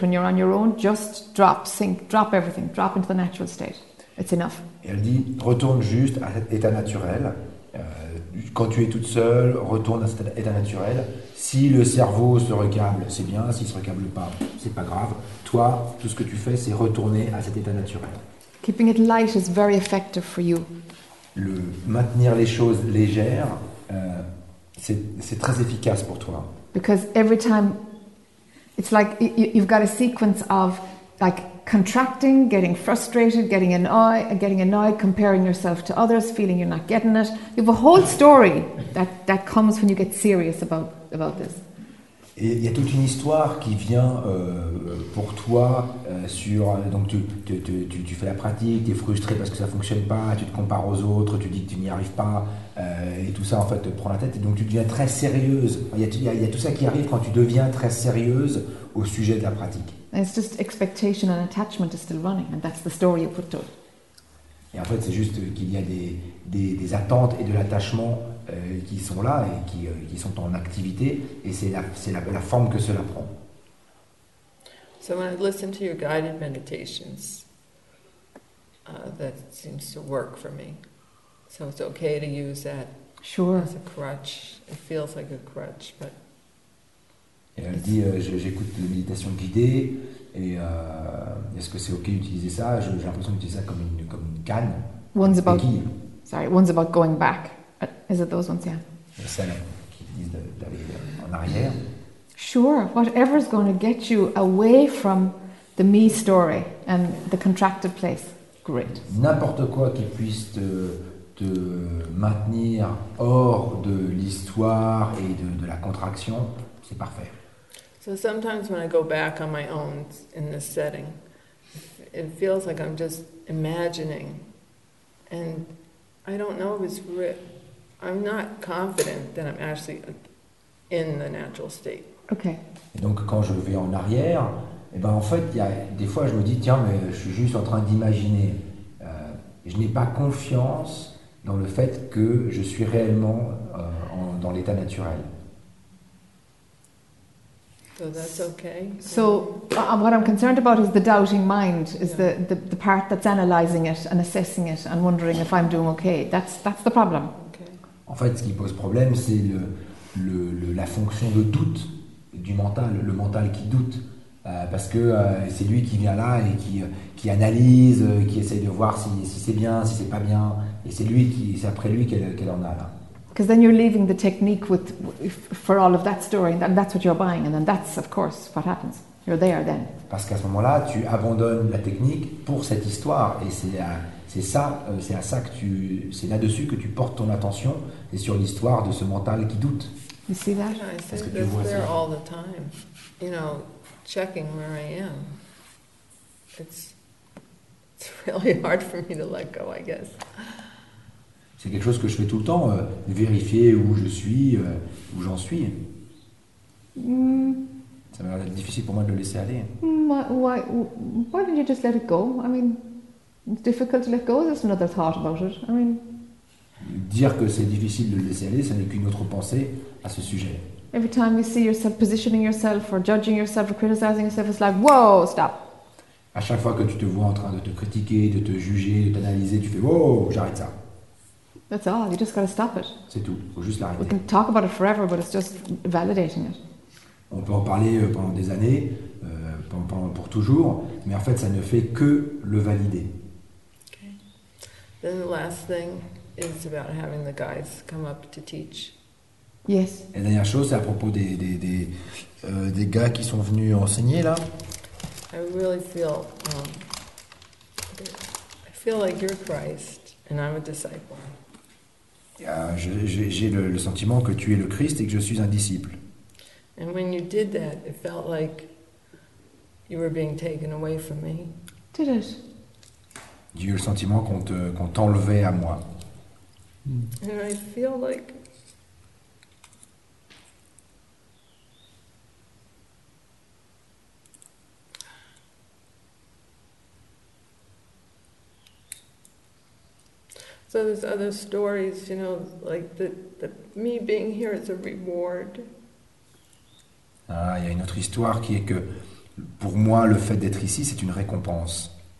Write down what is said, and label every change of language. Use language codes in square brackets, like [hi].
[en] When you're on your own, just drop, sink, drop everything. Drop into the natural state. It's enough. [fr] Et elle dit, retourne juste à cet état naturel. Quand tu es toute seule, retourne à cet état naturel. Si le cerveau se recable, c'est bien. S'il ne se recable pas, c'est pas grave. Toi, tout ce que tu fais, c'est retourner à cet état naturel. [en] Keeping it light is very effective for you. [fr] Le maintenir les choses légères, c'est très efficace pour toi. [en] Because every time, it's like you've got a sequence of like contracting, getting frustrated, getting annoyed, comparing yourself to others, feeling you're not getting it. You have a whole story that comes when you get serious about this. [fr] Et il y a toute une histoire qui vient pour toi sur donc tu fais la pratique, tu es frustré parce que ça fonctionne pas, tu te compares aux autres, tu dis que tu n'y arrives pas et tout ça en fait te prend la tête et donc tu deviens très sérieuse. Il y a tout ça qui arrive quand tu deviens très sérieuse au sujet de la pratique. [en] It's just expectation and attachment is still running, and that's the story you put to it. [fr] Et en fait, c'est juste qu'il y a des attentes et de l'attachement qui sont là et qui sont en activité, et c'est la forme que cela prend. [en] So when I listen to your guided meditations, that seems to work for me. So it's okay to use that. Sure. As a crutch. It feels like a crutch, but. [fr] Et elle dit, j'écoute les méditations guidées, et est-ce que c'est ok d'utiliser ça? J'ai l'impression d'utiliser ça comme une canne. [en] One's about, sorry, one's about going back. Is it those ones, yeah? [fr] Celles qui disent d'aller en arrière. [en] Sure, whatever's going to get you away from the me story and the contracted place, great. [fr] N'importe quoi qui puisse te maintenir hors de l'histoire et de la contraction, c'est parfait. [en] So sometimes when I go back on my own in this setting, it feels like I'm just imagining, and I don't know if it's real. I'm not confident that I'm actually in the natural state. Okay. [fr] Et donc quand je vais en arrière, et ben en fait il y a des fois je me dis tiens mais je suis juste en train d'imaginer. Je n'ai pas confiance dans le fait que je suis réellement dans l'état naturel. [en] So that's okay. So what I'm concerned about is the doubting mind, the part that's analysing it and assessing it and wondering if I'm doing okay. That's the problem. Okay. [fr] En fait, ce qui pose problème, c'est la fonction de doute du mental, le mental qui doute. Parce que c'est lui qui vient là et qui analyse, qui essaye de voir si c'est bien, si c'est pas bien. Et c'est après lui qu'elle en a là. [en] Because then you're leaving the technique for all of that story, and that's what you're buying, and then that's of course what happens. You're there then. [fr] Parce qu'à ce moment-là, tu abandonnes la technique pour cette histoire, et c'est là-dessus que tu portes ton attention, et sur l'histoire de ce mental qui doute. [en] You see that? [fr] Parce que tu vois ça. [en] All the time, you know, checking where I am. It's really hard for me to let go, I guess. [fr] C'est quelque chose que je fais tout le temps, vérifier où je suis, où j'en suis. Mm. Ça m'a l'air difficile pour moi de le laisser aller. [en] Why don't you just let it go? I mean, it's difficult to let go, that's another thought about it. I mean, [fr] dire que c'est difficile de le laisser aller, ça n'est qu'une autre pensée à ce sujet. [en] Every time you see yourself positioning yourself or judging yourself or criticizing yourself, it's like, whoa, stop. [fr] À chaque fois que tu te vois en train de te critiquer, de te juger, de t'analyser, tu fais, whoa, j'arrête ça. [en] That's all. You just got to stop it. [fr] C'est tout. Faut juste l'arrêter. [en] We can talk about it forever, but it's just validating it. [fr] On peut en parler pendant des années, pour toujours, mais en fait, ça ne fait que le valider. [en] Okay. Then the last thing is about having the guys come up to teach. Yes. [fr] Et la dernière chose, c'est à propos des gars qui sont venus enseigner là. [en] I really feel. I feel like you're Christ, and I'm a disciple. [fr] J'ai le sentiment que tu es le Christ et que je suis un disciple. [en] And when you did that, it felt like you were being taken away from me. Did it? [fr] J'ai eu le sentiment qu'on t'enlevait à moi. [en] And I feel like so there's other stories, you know, like the me being here is a reward. [fr] Ah, il y a une autre histoire qui est que pour moi le fait d'être ici c'est une récompense.